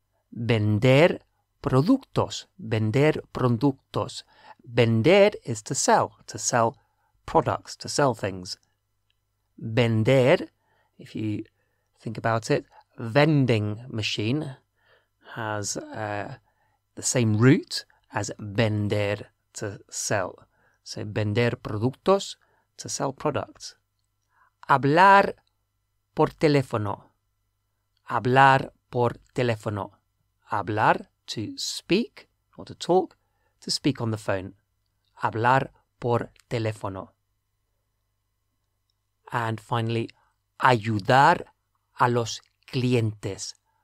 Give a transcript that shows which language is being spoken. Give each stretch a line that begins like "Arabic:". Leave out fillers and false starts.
Spanish: Vender productos, vender productos.
English: Vender is to sell products, to sell things. Vender, if you think about it, vending machine has the same root as vender, to sell. So
Spanish: vender productos,
English: to sell products.
Spanish: Hablar por teléfono, hablar por teléfono.
English: Hablar, to speak or to speak on the phone.
Spanish: Hablar por teléfono.
English: And finally,
Spanish: ayudar a los clientes.